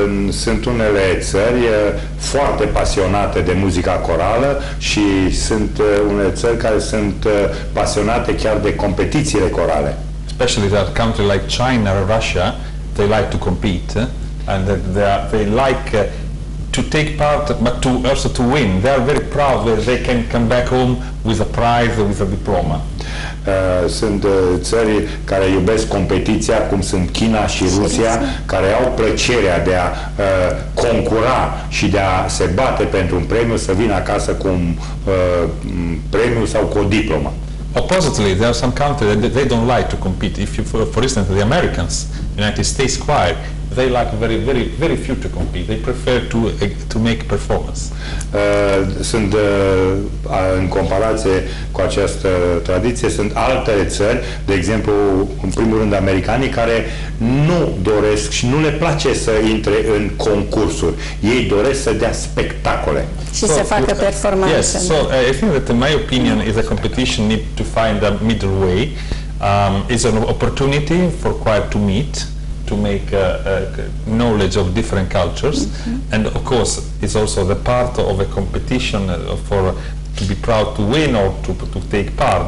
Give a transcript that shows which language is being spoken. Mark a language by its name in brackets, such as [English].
[Romanian] Sunt unele țări foarte pasionate de muzica corală și sunt unele țări care sunt pasionate chiar de competițiile corale. [English] Especially that country like China or Russia, they like to compete and they like to take part, but to also to win. They are very proud that they can come back home with a prize, with a diploma. [Romanian] Sunt țări care iubesc competiția, cum sunt China și Rusia, care au plăcerea de a concura și de a se bate pentru un premiu, să vină acasă cu un premiu sau cu o diplomă. [English] Oppositely, there are some countries that they don't like to compete. If you, for instance, the Americans, United States choir, they like very, very, very few to compete. They prefer to make performance. [Romanian] Sunt în comparație cu această tradiție, sunt alte țări, de exemplu, în primul rând americanii, care nu doresc și nu le place să intre în concursuri. Ei doresc să dea spectacole. Și să facă performanță. [English] Yes, so I think that in my opinion is a competition need to find a middle way. It's an opportunity for choir to meet, to make knowledge of different cultures, mm-hmm. and of course it's also the part of a competition for to be proud to win or to take part.